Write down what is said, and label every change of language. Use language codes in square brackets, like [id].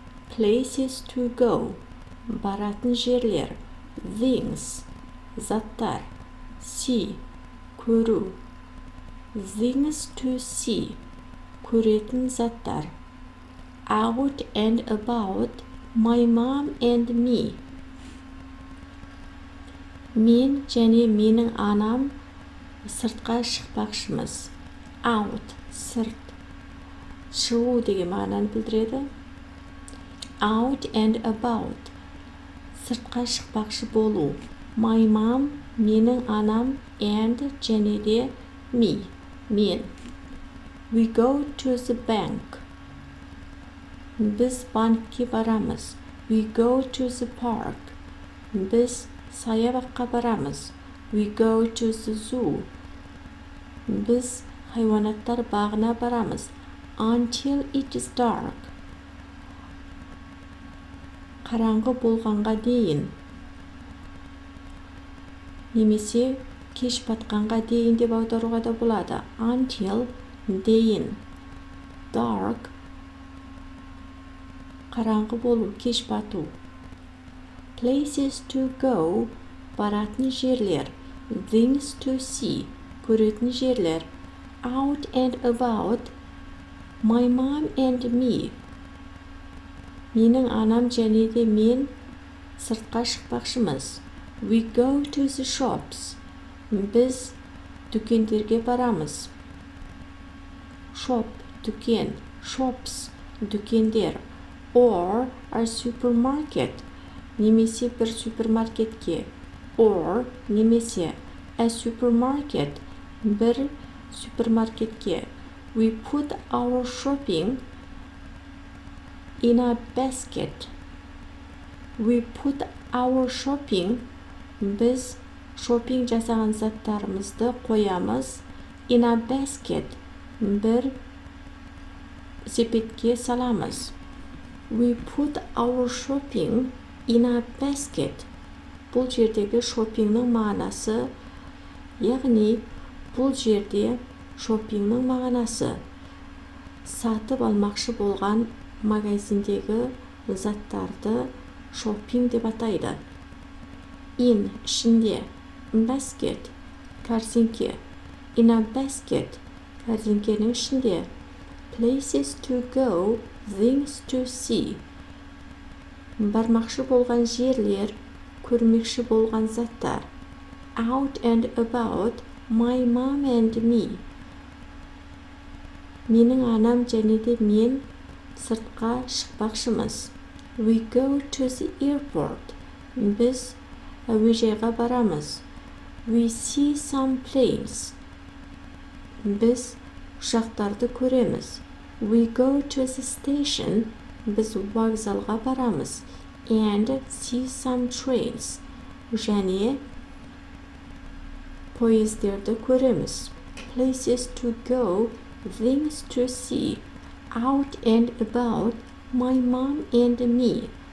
[en] Places to go. [kk] Баратын жерлер. [en] Things. [kk] Заттар. [en] See. [kk] Көру. [en] Things to see. [kk] Көретін заттар. [en] Out and about my mom and me. [kk] Мен және менің анам сыртқа шықпақшымыз. Out, сырт. Шығу деген мағынаны білдіреді. [en] Out and about. [kk] Сыртқа шықпақшы болу. [en] My mom, [kk] менің анам, and және де me, мен. [en] We go to the bank. [kk] Біз банкке барамыз. [en] We go to the park. [kk] Біз саябаққа барамыз. [en] We go to the zoo. [kk] Біз хайуанаттар бағына барамыз. [en] Until it is dark. [kk] Қараңғы болғанға дейін. Немесе кеш батқанға дейін деп аударуға да болады. Until дейін. [en] Dark. [kk] Қараңғы болу, кеш бату. [en] Places to go. [kk] Баратын жерлер. [en] Things to see. [kk] Көретін жерлер. [en] Out and about my mom and me. [kk] Менің анам және де мен сыртқа шықпақшымыз. [en] We go to the shops. [kk] Біз дүкендерге барамыз. Shop, дүкен. Shops, дүкендер. [en] Or a supermarket. [kk] Немесе бір супермаркетке. [en] Or, немесе, a supermarket. [kk] Бір супермаркетке. [en] We put our shopping in a basket. We put our shopping. [kk] Біз шопинг жасаған заттарымызды қоямыз. [en] In a basket. [kk] Бір сепетке саламыз. [en] We put our shopping in a basket. [kk] Бұл жердегі шопингнің мағынасы, яғни бұл жерде шопингнің мағынасы сатып алмақшы болған магазиндегі заттарды шопинг деп атайды. In ішінде, basket корзинке, [en] in a basket [kk] корзинкенің ішінде, [en] places to go, things to see. [kk] Бармақшы болған жерлер, көрмекші болған заттар. [en] Out and about, my mom and me. [kk] Менің анам және де мен сыртқа шықпақшымыз. [en] We go to the airport. [kk] Біз әуежайға барамыз. [en] We see some planes. [kk] Біз ұшақтарды көреміз. [en] We go to the station. [kk] Біз вокзалға барамыз. [en] And see some trains. [kk] Және поездерді көреміз. [en] Places to go, things to see. Out and about, my mom and me.